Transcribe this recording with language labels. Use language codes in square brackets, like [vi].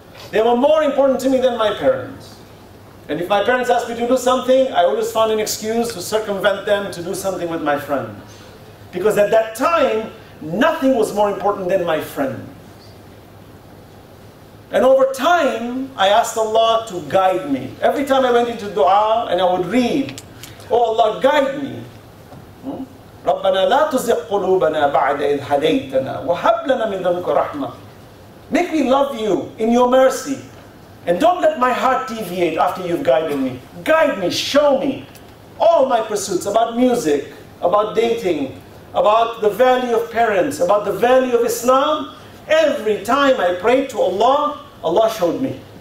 [en] They were more important to me than my parents. And if my parents asked me to do something, I always found an excuse to circumvent them to do something with my friends. Because at that time, nothing was more important than my friends. And over time, I asked Allah to guide me. Every time I went into dua and I would read, oh Allah, guide me. [ar] رَبَّنَا لَا تُزِقْ قُلُوبَنَا بَعْدَ إِذْ هَدَيْتَنَا وَهَبْ لَنَا مِنْ ذَنْكَ رَحْمَةً [en] Make me love you in your mercy. And don't let my heart deviate after you've guided me. Guide me, show me all my pursuits about music, about dating, about the value of parents, about the value of Islam. Every time I prayed to Allah, Allah showed me.